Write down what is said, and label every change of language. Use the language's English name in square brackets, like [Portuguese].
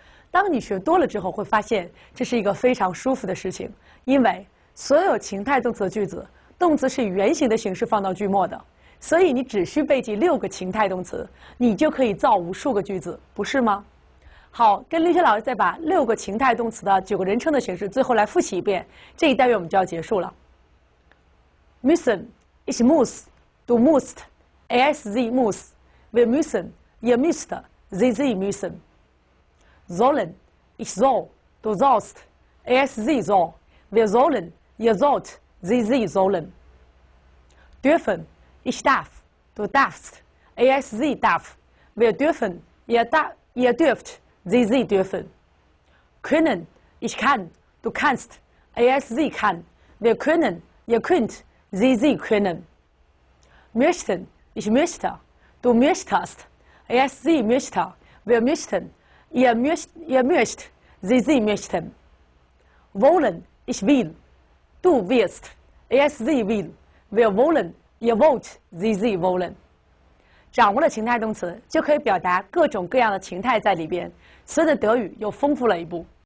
[Chinese] 当你学多了之后，会发现这是一个非常舒服的事情，因为所有情态动词的句子，动词是以原形的形式放到句末的，所以你只需背记六个情态动词，你就可以造无数个句子，不是吗？好，跟绿雪老师再把六个情态动词的九个人称的形式最后来复习一遍，这一单元我们就要结束了。 [German] Müssen, ich muss, du musst, er, sie muss, wir müssen, ihr müsst, sie müssen. Sollen, ich soll, du sollst, er, sie soll, wir sollen, ihr sollt, sie sollen. Dürfen, ich darf, du darfst, er, sie darf, wir dürfen, ihr dürft, sie dürfen. Können, ich kann, du kannst, er, sie kann, wir können, ihr könnt. Sie können. Möchten, ich möchte, du möchtest, sie möchte, wir möchten, ihr möcht, sie möchten. Wollen, ich will, du willst, sie will, wir wollen, ihr wollt, sie wollen. [Chinese] 掌握了情态动词，就可以表达各种各样的情态在里边，所以德语又丰富了一步。